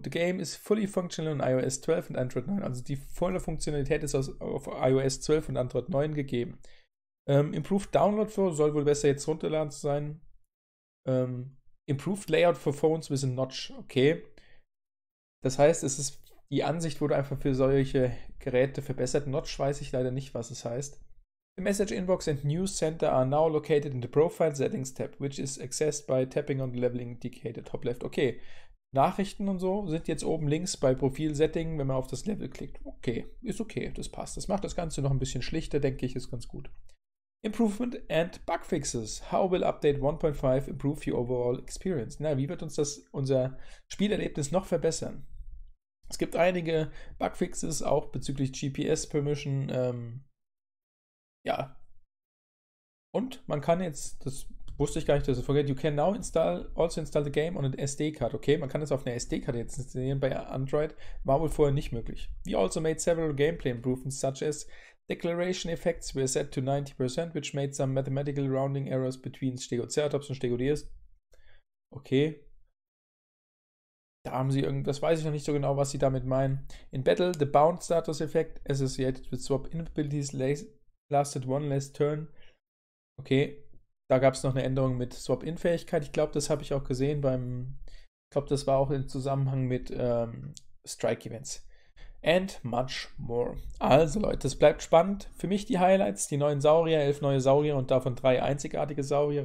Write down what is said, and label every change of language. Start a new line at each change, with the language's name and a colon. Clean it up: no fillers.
English: The game is fully functional on iOS 12 and Android 9.
German: Also die volle Funktionalität ist auf iOS 12 und Android 9 gegeben.
English: Improved Download Flow
German: soll wohl besser jetzt runterladen zu sein.
English: Improved Layout for Phones with a Notch.
German: Okay. Das heißt, es ist die Ansicht wurde einfach für solche Geräte verbessert. Notch weiß ich leider nicht, was es heißt.
English: The Message Inbox and News Center are now located in the Profile Settings tab, which is accessed by tapping on the level indicator top left.
German: Okay, Nachrichten und so sind jetzt oben links bei Profil Setting, wenn man auf das Level klickt. Okay, ist okay, das passt. Das macht das Ganze noch ein bisschen schlichter, denke ich, ist ganz gut.
English: Improvement and Bug Fixes. How will Update 1.5 improve your overall experience?
German: Na, wie wird uns das unser Spielerlebnis noch verbessern? Es gibt einige Bug Fixes, auch bezüglich GPS-Permission, ja, und man kann jetzt, das wusste ich gar nicht, dass ich vergesse,
English: you can now also install the game on an SD-Card.
German: Okay, man kann das auf einer SD-Card jetzt installieren bei Android, war wohl vorher nicht möglich.
English: We also made several gameplay improvements, such as Declaration Effects were set to 90%, which made some mathematical rounding errors between Stegoceratops und Stegodeus. Okay.
German: Da haben sie irgendwas, weiß ich noch nicht so genau, was sie damit meinen.
English: In Battle, the Bound Status Effect associated with Swap Inabilities lasted one less turn.
German: Okay, da gab es noch eine Änderung mit Swap-In-Fähigkeit. Ich glaube, das habe ich auch gesehen ich glaube, das war auch im Zusammenhang mit Strike-Events.
English: And much more.
German: Also Leute, es bleibt spannend. Für mich die Highlights, die neuen Saurier, 11 neue Saurier und davon 3 einzigartige Saurier.